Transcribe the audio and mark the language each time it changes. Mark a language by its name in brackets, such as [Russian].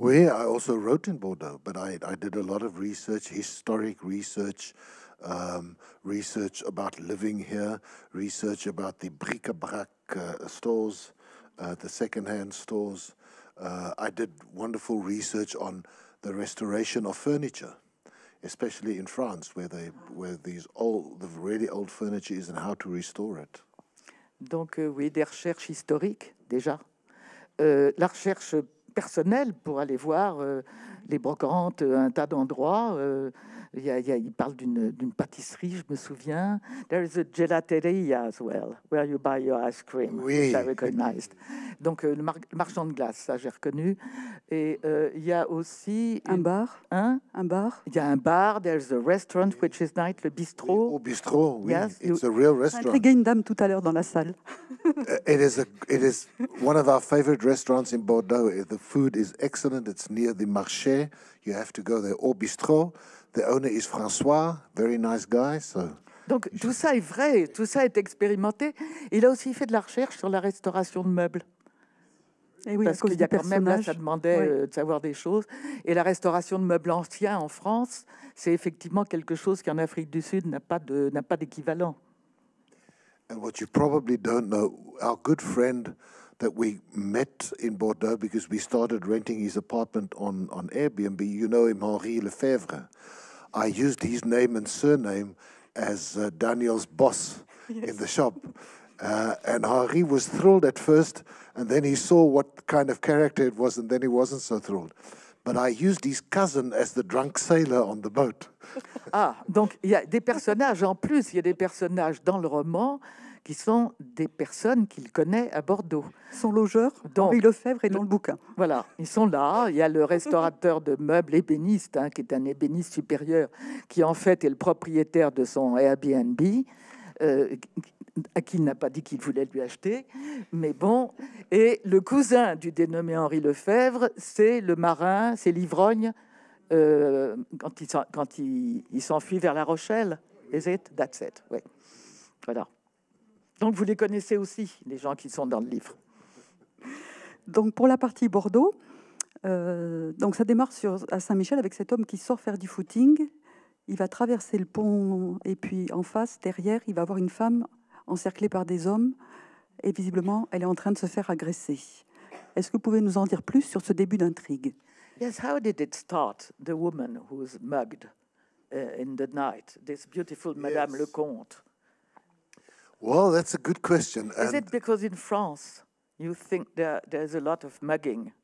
[English] Oui, I also wrote in Bordeaux, but I did a lot of research, historic research, research about living here, research about the bric-à-brac stores, the second-hand stores. I did wonderful research on the restoration of furniture, especially in France, where these old, the really old furniture is and how to restore it. [French] Donc, oui, des recherches historiques, déjà. La recherche personnelle pour aller voir les brocantes, un tas d'endroits. Il parle d'une pâtisserie, je me souviens. [English] There is a gelateria as well, where you buy your ice cream, [French] oui. [English] Which I recognized. [French] Donc, le marchand de glace, ça, j'ai reconnu. Et il y a aussi... Un bar. Hein? Un bar. Il y a un bar, there's a restaurant, oui. Which is night, le bistrot. [English] Oui. Au bistrot, oui. Yes. It's a real restaurant. [French] J'ai intrigué une dame tout à l'heure dans la salle. [English] It is one of our favorite restaurants in Bordeaux. The food is excellent, it's near the marché. You have to go there, au bistrot. The owner is François, very nice guy. So [French] donc tout ça est vrai, tout ça est expérimenté. Il a aussi fait de la recherche sur la restauration de meubles. Et oui, parce qu'il y a quand même là, ça demandait de savoir des choses. Et la restauration de meubles anciens en France, c'est effectivement quelque chose qui en Afrique du Sud n'a pas d'équivalent. [English] And what you probably don't know, our good friend that we met in Bordeaux because we started renting his apartment on Airbnb. You know him, Henri Lefebvre. I used his name and surname as Daniel's boss in the shop. And Henri was thrilled at first, and then he saw what kind of character it was, and then he wasn't so thrilled. But I used his cousin as the drunk sailor on the boat. [French] Ah, donc il y a des personnages en plus. Il y a des personnages dans le roman qui sont des personnes qu'il connaît à Bordeaux. Son logeur, donc, Henri Lefebvre, est dans le bouquin. Voilà, ils sont là. Il y a le restaurateur de meubles, ébéniste, hein, qui est un ébéniste supérieur, qui en fait est le propriétaire de son Airbnb, à qui il n'a pas dit qu'il voulait lui acheter. Mais bon, et le cousin du dénommé Henri Lefebvre, c'est le marin, c'est l'ivrogne, quand il s'enfuit vers La Rochelle. [English] Is it? That's it. Oui. Voilà. [French] Donc, vous les connaissez aussi, les gens qui sont dans le livre. Donc, pour la partie Bordeaux, donc ça démarre à Saint-Michel avec cet homme qui sort faire du footing. Il va traverser le pont et puis en face, derrière, il va voir une femme encerclée par des hommes. Et visiblement, elle est en train de se faire agresser. Est-ce que vous pouvez nous en dire plus sur ce début d'intrigue? [English] Yes, how did it start, the woman who was mugged in the night, this beautiful Madame yes. Lecomte? Well, that's a good question. Is and it because in France you think there's a lot of mugging?